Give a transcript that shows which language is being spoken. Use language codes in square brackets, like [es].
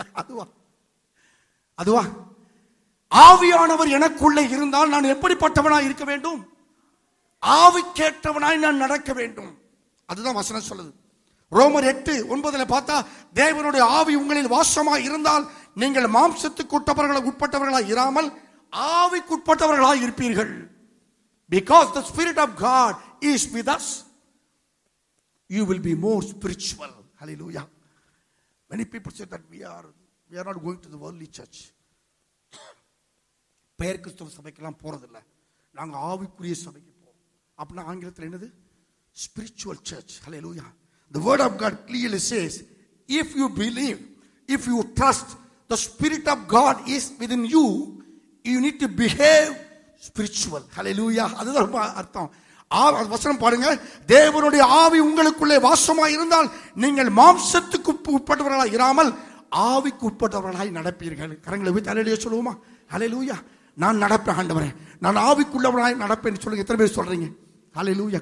[ta] அதுவா அதுவா? ஆவியானவர் எனக்குள்ளே இருந்தால் நான் எப்படிப்பட்டவனாய் இருக்க வேண்டும்? ஆவிக்கேற்றவனாய் நான் நடக்க வேண்டும். அதுதான் வசனம் சொல்லுது. ரோமர் 8:9 பார்த்தா, தேவனுடைய ஆவி உங்களில் வாசமாக இருந்தால் நீங்கள் மாம்சத்துக்கு உட்பட்டவர்களாக இராமல் ஆவிக்கு உட்பட்டவர்களாக இருப்பீர்கள். [en] Because the spirit of God is with us, you will be more spiritual. Hallelujah. Many people say that we are not going to the worldly church. [ta] பெயர் கிறிஸ்தவ சபைக்கெல்லாம் போறதில்லை, நாங்கள் ஆவிக்குரிய சபைக்கு போவோம். அப்படின்னா ஆங்கிலத்தில் என்னது? [en] Spiritual church. [ta] Hallelujah. [en] The word of God clearly says, if you believe, if you trust, the spirit of God is within you, you need to behave spiritual. [ta] Hallelujah. அது தான் அர்த்தம். வசனம் பாருங்க, தேவனுடைய ஆவி உங்களுக்குள்ளே வாசமாய் இருந்தால் நீங்கள் மாம்சத்துக்கு உட்பட்டவர்களாய் இராமல் ஆவிக்கு உட்பட்டவர்களாய் நடப்பீர்கள். கரங்களை போய் தலையிலேயே சொல்லுவோமா? Hallelujah. நான் நடப்பேன் ஆண்டவரே, நான் ஆவிக்குள்ளவனாய் நடப்பேன் சொல்லுங்க. எத்தனை பேர் சொல்றீங்க? Hallelujah.